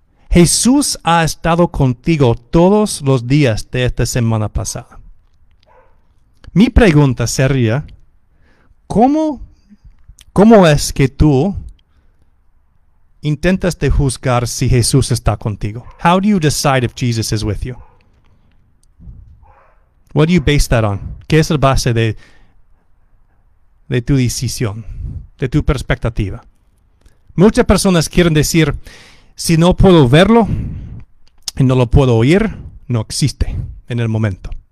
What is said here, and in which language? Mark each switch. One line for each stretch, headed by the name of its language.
Spanish: Jesús ha estado contigo todos los días de esta semana pasada. Mi pregunta sería, ¿cómo es que tú intentas de juzgar si Jesús está contigo?
English: How do you decide if Jesus is with you? What do you base that on?
Spanish: ¿Qué es la base de tu decisión, de tu perspectiva? Muchas personas quieren decir, si no puedo verlo y no lo puedo oír, no existe en el momento.